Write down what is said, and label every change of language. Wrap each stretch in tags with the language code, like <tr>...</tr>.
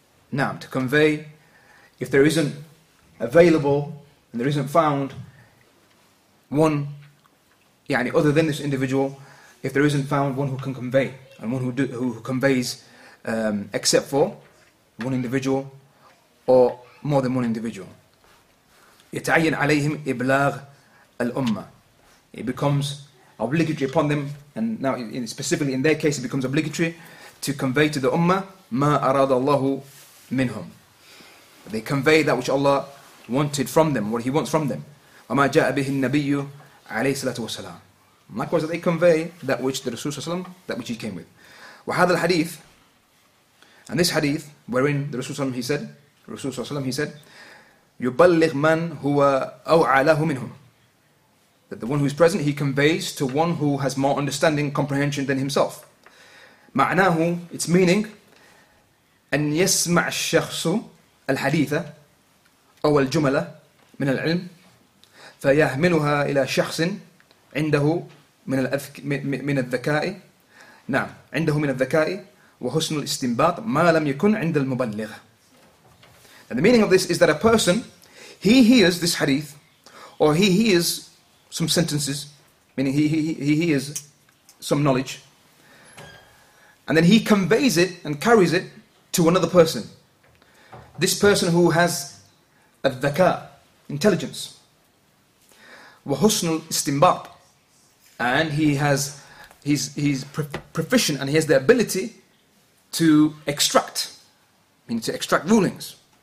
<en>Now, to convey, if there isn't available, and there isn't found one, yani other than this individual, if there isn't found one who can convey, and one who conveys except for one individual, or more than one individual.</en> <ar>يتعين عليهم إبلاغ الأمة.</ar> <en>It becomes obligatory upon them, and now specifically in their case, it becomes obligatory to convey to the ummah</en> <ar>ما أراد الله منهم.</ar> <en>They convey that which Allah wanted from them, what He wants from them.</en> <ar>وما جاء به النبي عليه الصلاة والسلام.</ar> <en>Likewise, they convey that which the Rasul</en> <ar>صلى الله عليه وسلم,</ar> <en>that which He came with.</en> <ar>وهذا الحديث,</ar> <en>and this hadith wherein the Rasul</en> <ar>صلى الله عليه وسلم,</ar> <en>he said,</en> <ar>يبلغ من هو أوعى له منهم.</ar> <en>That the one who is present, he conveys to one who has more understanding, comprehension than himself.</en> <ar>معناه,</ar> <en>its meaning,</en> <ar>أن يسمع الشخص الحديثة أو الجملة من العلم فيهملها إلى شخص عنده من الذكاء. نعم, عنده من الذكاء وحسن الاستنباط ما لم يكن عند المبلغ.</ar> <en>And the meaning of this is that a person, he hears this hadith, or he hears some sentences, meaning he hears some knowledge, and then he conveys it and carries it to another person. This person who has a dhaka, intelligence,</en> <ar>وَحُسْنُ الْإِسْتِنْبَاطِ,</ar> <en>and he's proficient and he has the ability to extract, meaning to extract rulings.</en>